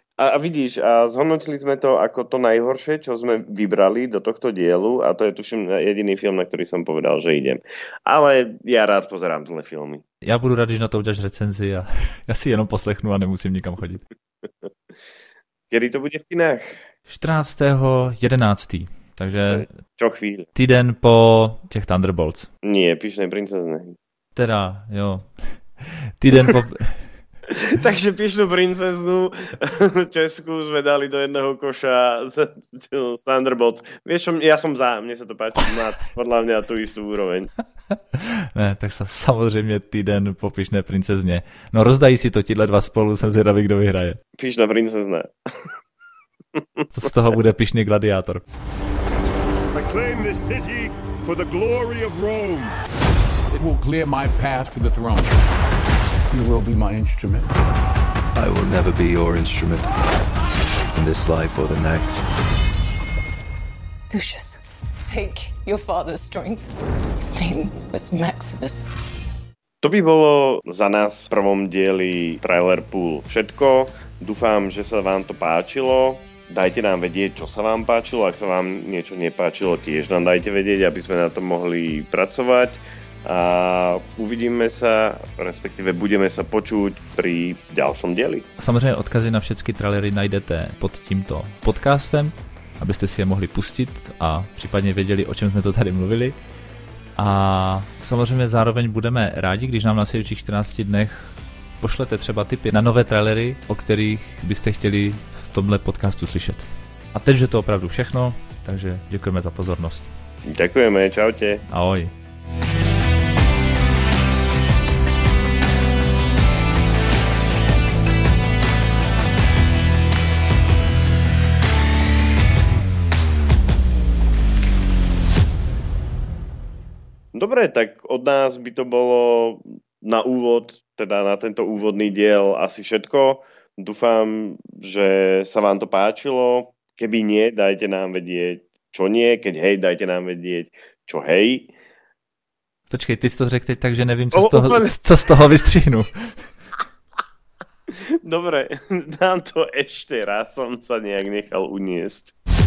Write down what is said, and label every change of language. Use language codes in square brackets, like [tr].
[sk] A vidíš, a zhodnotili sme to ako to najhoršie, čo sme vybrali do tohto dielu, a to je tuším jediný film, na ktorý som povedal, že idem. Ale ja rád pozerám tyhle filmy. [cs] Ja budu rád, když na to uďaš recenzi a ja si jenom poslechnu a nemusím nikam chodiť. [sk] Kedy to bude v kinách? 14.11. Takže čo chvíľ? [cs] Týden po tých Thunderbolts. [sk] Nie, Pyšnej princezne. [cs] T teda, jo. Týden po... Takže pěšnou princeznu Česku jsme dali do jednoho koša Thunderbolt. Víš, já jsem za, mně se to páčí, má podle mě tu jistou úroveň. Ne, tak se samozřejmě týden po pěšné princezně. No rozdají si to tíhle dva spolu, jsem zvědavý, kdo vyhraje. Pěšná princezna. Z toho bude pěšný gladiátor. [en] Proclaim this city for the glory of Rome. It will clear my path to the throne. You will be my instrument. I will never be your instrument. In this life or the next. Lucius, take your father's strength. His name was Maximus. [sk] To by bolo za nás v prvom dieli Trailer Pool všetko. Dúfam, že sa vám to páčilo. Dajte nám vedieť, čo sa vám páčilo. Ak sa vám niečo nepáčilo, tiež nám dajte vedieť, aby sme na tom mohli pracovať. A uvidíme sa, respektíve budeme sa počuť pri ďalšom dieli. Samozrejme, odkazy na všetky trailery nájdete pod týmto podcastem, aby ste si je mohli pustiť a prípadne vedeli, o čem sme to tady mluvili. [cs] A samozrejme, zároveň budeme rádi, když nám na sledujúcich 14 dnech pošlete třeba tipy na nové trailery, o kterých byste chtěli v tomhle podcastu slyšet. A teď je to opravdu všechno, takže děkujeme za pozornost. Děkujeme, čaute. Ahoj. [sk] Dobré, tak od nás by to bylo na úvod, teda na tento úvodný diel asi všetko. Dúfam, že sa vám to páčilo. Keby nie, dajte nám vedieť, čo nie. Keď hej, dajte nám vedieť, čo hej. [cs] Počkej, ty si to řekl teď tak, že nevím, co z toho vystřihnu. [sk] Dobre, dám to ešte raz, som sa nejak nechal uniesť.